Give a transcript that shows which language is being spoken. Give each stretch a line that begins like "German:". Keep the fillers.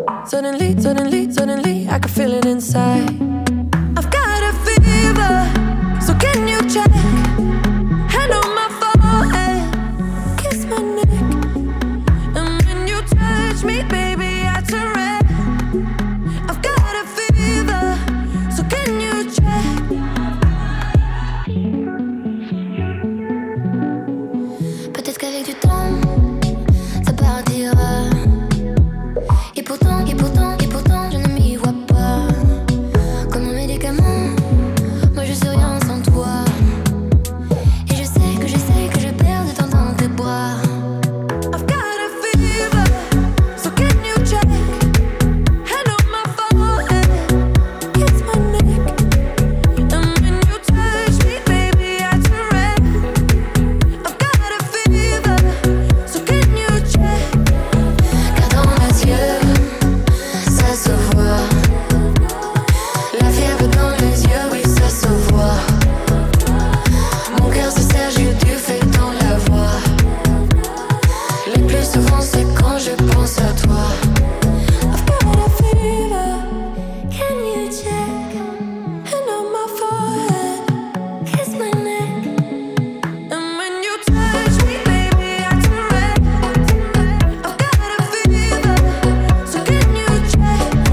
English: Suddenly, suddenly, suddenly, I could feel it inside. I've got a fever, so can you check? Hand on my forehead, kiss my neck. And when you touch me, baby, I turn red. I've got a fever, so can you check?
French: Peut-être qu'avec du temps, ça partira. Et pourtant, et pourtant, et pourtant, je ne m'y vois pas. Comme un médicament, moi je suis rien sans toi. Et je sais que je sais que je perds de temps dans tes bras.
English: I've got a fever, so can you check? Hand on my forehead, kiss my neck. And when you touch me, baby, I turn red. I've got a fever, so can you check?
French: Car dans mes yeux, ça se voit. La fièvre dans mes yeux, oui, ça se voit. Mon cœur se serre, j'ai du fait dans la voix. Le plus souvent, c'est quand je pense à toi.
English: I've got a fever, can you check? Hand on my forehead, kiss my neck. And when you touch me, baby, I turn red. I've got a fever, so can you check?